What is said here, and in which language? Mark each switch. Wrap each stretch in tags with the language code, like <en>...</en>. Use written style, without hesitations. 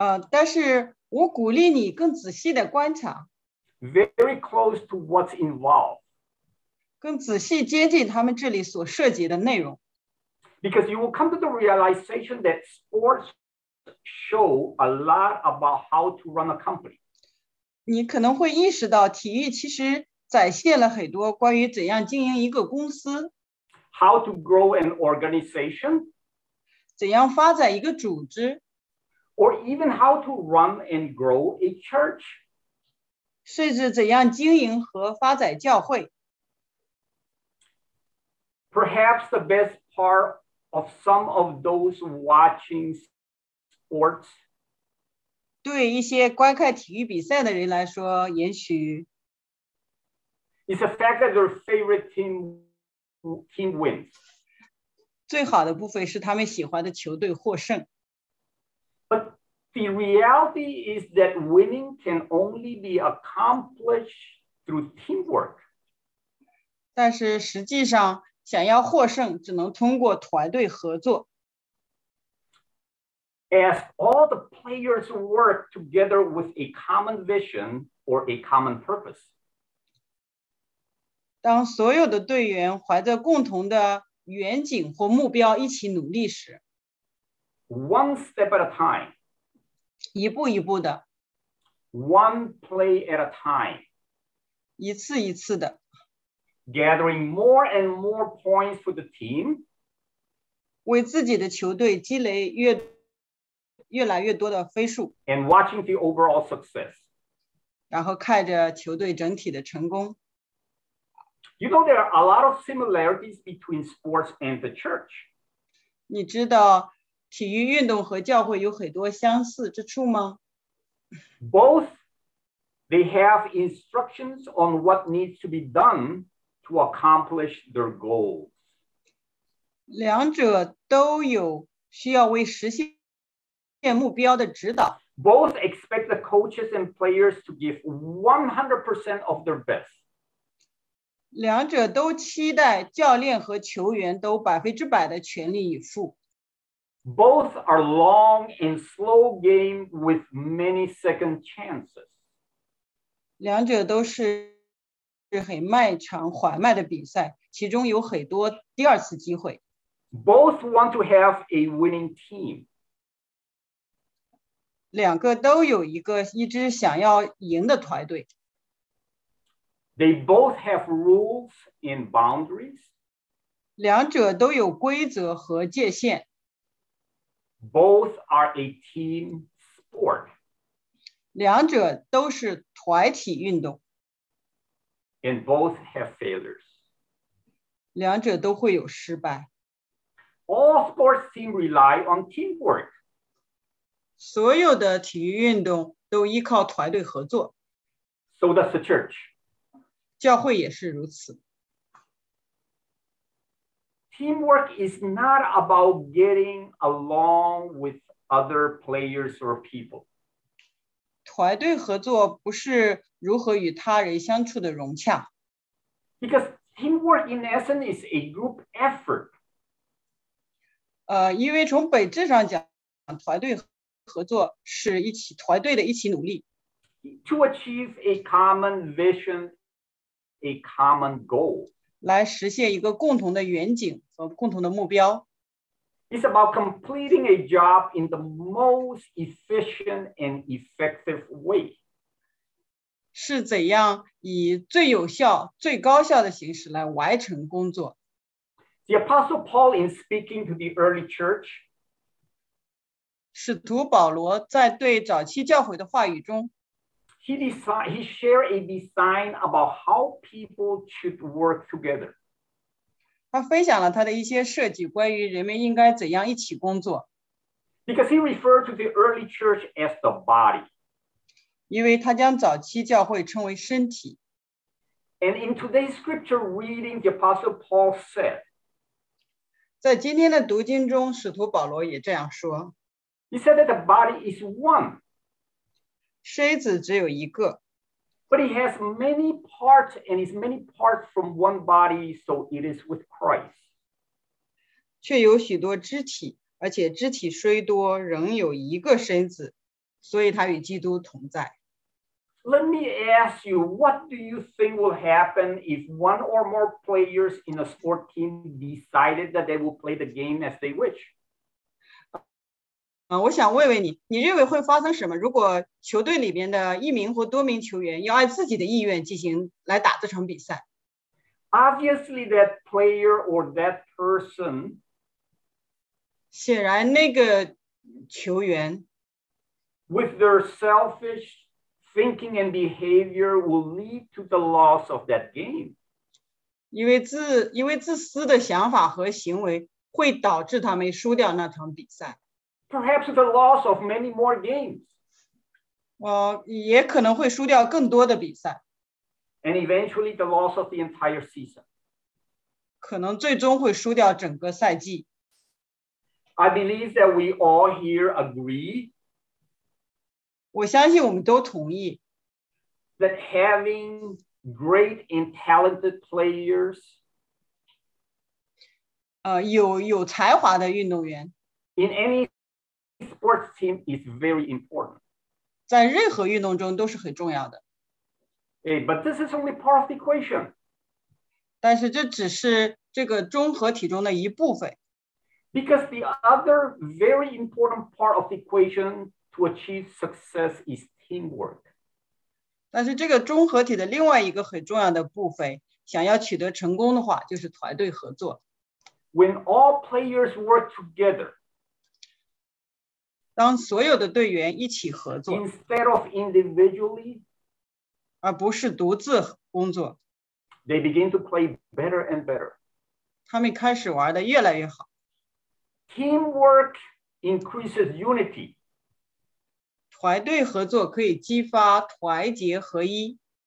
<zh>但是我鼓励你更仔细的观察。</zh> <en>Very close to what's involved.</en> <zh>更仔细接近他们这里所涉及的内容。</zh> <en>Because you will come to the realization that sports show a lot about how to run a company.</en> <zh>你可能会意识到体育其实展现了很多关于怎样经营一个公司。</zh> <en>How to grow an organization.</en> <zh>怎样发展一个组织。</zh> <en>Or even how to run and grow a church.</en> <zh>甚至怎样经营和发展教会。</zh> <en>Perhaps the best part of some of those watching sports.</en> <zh>对一些观看体育比赛的人来说，也许。</zh> <en>It's the fact that their favorite team wins.</en> <zh>最好的部分是他们喜欢的球队获胜。</zh> <en>But the reality is that winning can only be accomplished through teamwork.</en> <zh>但是实际上，想要获胜，只能通过团队合作。</zh> <en>As all the players work together with a common vision or a common purpose.</en> <zh>当所有的队员怀着共同的远景或目标一起努力时。</zh> <en>One step at a time.</en> <zh>一步一步的。</zh> <en>One play at a time.</en> <zh>一次一次的。</zh> <en>Gathering more and more points for the team.</en> <zh>为自己的球队积累越来越多的分数。</zh> <en>And watching the overall success.</en> <zh>然后看着球队整体的成功。</zh> <en>You know there are a lot of similarities between sports and the church.</en> <zh>你知道体育运动和教会有很多相似之处吗？</zh> <en>Both, they have instructions on what needs to be done to accomplish their goals.</en> <zh>两者都有需要为实现目标的指导。</zh> <en>Both expect the coaches and players to give 100% of their best.</en> <zh>两者都期待教练和球员都百分之百的全力以赴。</zh> <en>Both are long and slow game with many second chances.</en> <zh>两者都是很漫长缓慢的比赛，其中有很多第二次机会。</zh> <en>Both want to have a winning team.</en> <zh>两个都有一支想要赢的团队。</zh> <en>They both have rules and boundaries.</en> <zh>两者都有规则和界限。</zh> <en>Both are a team sport.</en> <zh>两者都是团体运动。</zh> <en>And both have failures.</en> <zh>两者都会有失败。</zh> <en>All sports teams rely on teamwork.</en> <zh>所有的体育运动都依靠团队合作。</zh> <en>So does the church.</en> <zh>教会也是如此。</zh> <en>Teamwork is not about getting along with other players or people.</en> <zh>团队合作不是如何与他人相处的融洽。</zh> <en>Because teamwork in essence is a group effort.</en> <zh>因为从本质上讲，团队合作是一起团队的一起努力。</zh> <en>To achieve a common vision, a common goal.</en> <zh>来实现一个共同的远景和共同的目标。</zh> <en>It's about completing a job in the most efficient and effective way.</en> <zh>是怎样以最有效、最高效的形式来完成工作。</zh> <en>The Apostle Paul, in speaking to the early church,</en> <zh>使徒保罗在对早期教会的话语中，</zh> <en>he shared a design about how people should work together.</en> <zh>他分享了他的一些设计关于人们应该怎样一起工作。</zh> <en>Because he referred to the early church as the body.</en> <zh>因为他将早期教会称为身体。</zh> <en>And in today's scripture reading, the Apostle Paul said,</en> <zh>在今天的读经中，使徒保罗也这样说。</zh> <en>He said that the body is one.</en> <zh>身子只有一个。</zh> <en>But it has many parts, and it's many parts from one body, so it is with Christ.</en> <zh>却有许多肢体，而且肢体虽多，仍有一个身子，所以他与基督同在。</zh> <en>Let me ask you, what do you think will happen if one or more players in a sport team decided that they will play the game as they wish?</en> <zh>我想问问你，你认为会发生什么？如果球队里边的一名或多名球员要按自己的意愿进行来打这场比赛？</zh> <en>Obviously, that player or that person.</en> <zh>显然那个球员</zh> <en>with their selfish. Thinking and behavior will lead to the loss of that game.</en> <zh>因为自私的想法和行为会导致他们输掉那场比赛。</zh> <en>Perhaps the loss of many more games.</en> <zh>也可能会输掉更多的比赛。</zh> <en>And eventually the loss of the entire season.</en> <zh>可能最终会输掉整个赛季。</zh> <en>I believe that we all here agree.</en> <zh>我相信我们都同意</zh> <en>that having great and talented players,</en> <zh>有才华的运动员</zh> <en>in any sports team is very important.</en> <zh>在任何运动中都是很重要的</zh> <en>Okay, but this is only part of the equation.</en> <zh>但是这只是这个综合体中的一部分</zh> <en>Because the other very important part of the equationTo achieve success is teamwork.</en> <zh>但是这个综合体的另外一个很重要的部分，想要取得成功的话，就是团队合作。</zh> <en>When all players work together,</en> <zh>当所有的队员一起合作</zh> <en>，instead of individually,</en> <zh>而不是独自工作</zh> <en>，they begin to play better and better.</en> <zh>他们开始玩的越来越好。</zh> <en>Teamwork increases unity.</en> <zh>团队合作可以激发团结合一</zh>